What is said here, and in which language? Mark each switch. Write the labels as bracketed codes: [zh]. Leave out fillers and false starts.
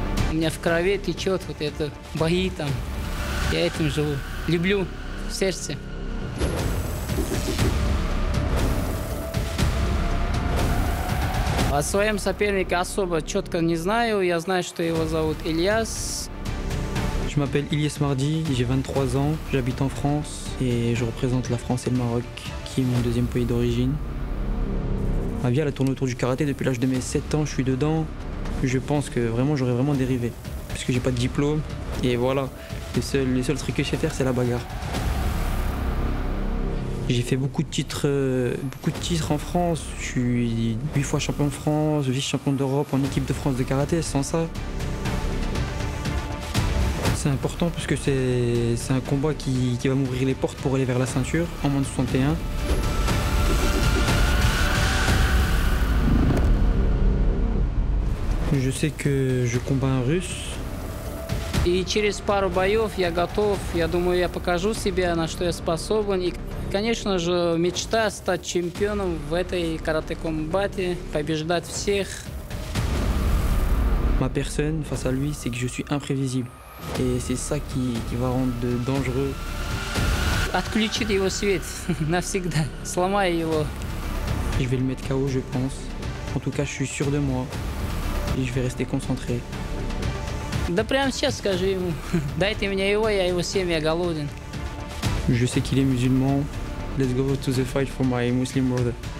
[ru] У меня в крови течет вот это бои там. Я этим живу. Люблю в сердце. О своем сопернике особо четко не знаю. Я знаю, что его зовут Ильяс. [fr] Je m'appelle Ilies Mardhi, j'ai 23 ans, j'habite en France et je représente la France et le Maroc, qui est mon deuxième pays d'origine. Ma vie, elle a tourné autour du karaté depuis l'âge de mes 7 ans, je suis dedans. Je pense que vraiment, j'aurais vraiment dérivé, puisque j'ai pas de diplôme. Et voilà, le seul truc que je sais faire, c'est la bagarre. J'ai fait beaucoup de titres en France. Je suis 8 fois champion de France, vice-champion d'Europe en équipe de France de karaté, sans ça. C'est important parce que c'est un combat qui va m'ouvrir les portes pour aller vers la ceinture en moins de 61. Je sais que je combats un russe. Et [ru] через пару боев я готов. Я думаю, я покажу себе, на что я способен. И, конечно же, мечта стать чемпионом в этой карате-комбате, побеждать всех. [fr] Ma personne face à lui, c'est que je suis imprévisible. Et c'est ça qui va rendre dangereux. [ru] Отключить его свет навсегда, сломая его. [fr] Je vais le mettre KO, je pense. En tout cas, je suis sûr de moi. Et je vais rester concentré. [ru] Да прямо сейчас скажи ему. Дайте мне его, я его съем, я голоден. [fr] Je sais qu'il est musulman. [en] Let's go to the fight for my Muslim brother.